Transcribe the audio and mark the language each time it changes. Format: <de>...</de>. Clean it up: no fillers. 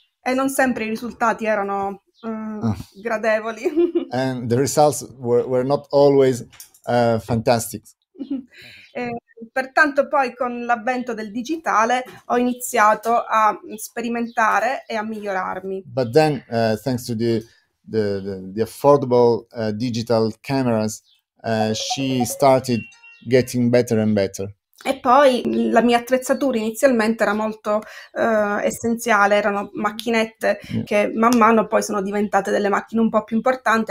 <it>E non sempre i risultati erano gradevoli.</it> <en>And the results were not always fantastic.</en> <it>Pertanto poi con l'avvento del digitale ho iniziato a sperimentare e a migliorarmi.</it> <en>But then thanks to the affordable digital cameras she started getting better and better.</en> <it>E poi la mia attrezzatura inizialmente era molto essenziale, erano macchinette che man mano poi sono diventate delle macchine un po' più importanti.</it>